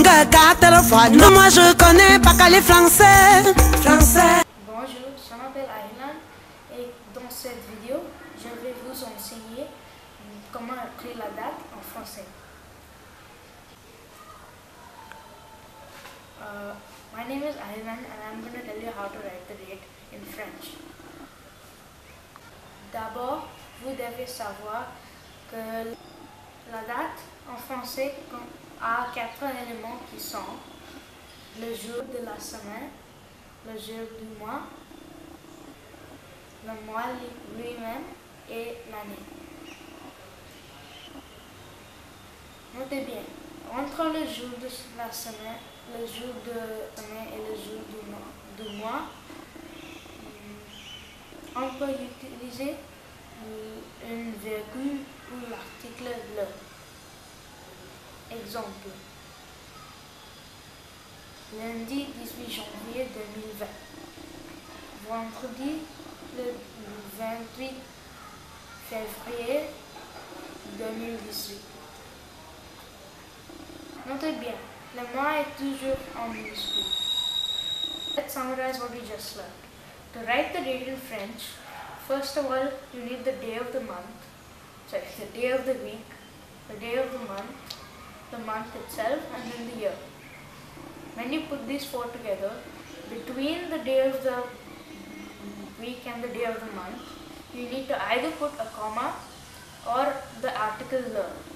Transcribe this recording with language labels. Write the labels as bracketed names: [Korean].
[French] Quatre fois non, moi je connais pas que les français. Français. Bonjour, je m'appelle Ahilan et dans cette vidéo, je vais vous enseigner comment écrire la date en français. [English] My name is Ahilan and I'm going to tell you how to write the date in French. [French] D'abord, vous devez savoir que la date en français a quatre éléments qui sont le jour de la semaine, le jour du mois, le mois lui-même et l'année. Notez bien, entre le jour de la semaine, le jour de la semaine et le jour du mois, on peut utiliser une virgule ou l'article le. Exemple, lundi 18 janvier 2020, vendredi le 28 février 2018. Notez bien, le mois est toujours en minuscule. [English] Let's summarize what we just learned. To write the date in French, first of all, you need the day of the month, the day of the week, the day of the month itself, and then the year. When you put these four together, between the day of the week and the day of the month, you need to either put a comma or the article the.